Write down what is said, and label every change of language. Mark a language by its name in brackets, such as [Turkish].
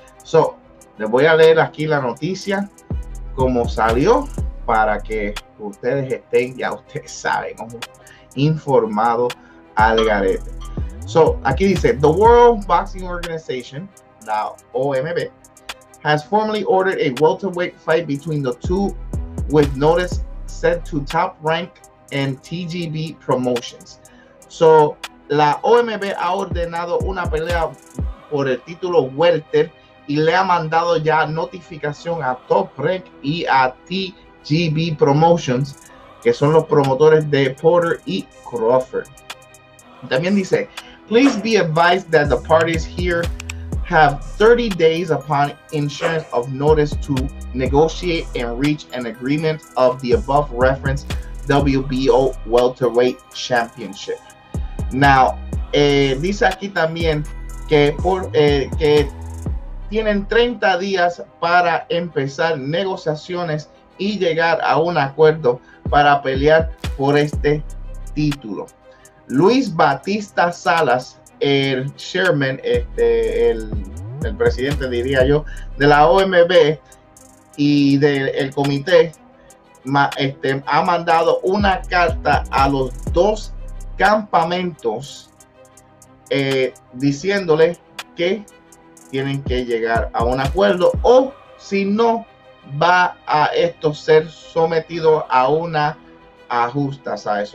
[Spanish] So, les voy a leer aquí la noticia, como salió, para que ustedes estén, ya ustedes saben, informados al garete. So, aquí dice, [English] the World Boxing Organization, la OMB, has formally ordered a welterweight fight between the two with notice set to top rank and TGB promotions. [Spanish] So, la OMB ha ordenado una pelea por el título welter y le ha mandado ya notificación a Top Rank y a TGB Promotions, que son los promotores de Porter y Crawford. También dice, [English] please be advised that the parties here have 30 days upon issuance of notice to negotiate and reach an agreement of the above reference WBO Welterweight Championship. [Spanish] Now, dice aquí también que que tienen 30 días para empezar negociaciones y llegar a un acuerdo para pelear por este título. Luis Batista Salas, el chairman, el presidente, diría yo, de la OMB y del comité, ha mandado una carta a los dos campamentos diciéndole que tienen que llegar a un acuerdo o si no va a esto ser sometido a una ajusta, ¿sabes?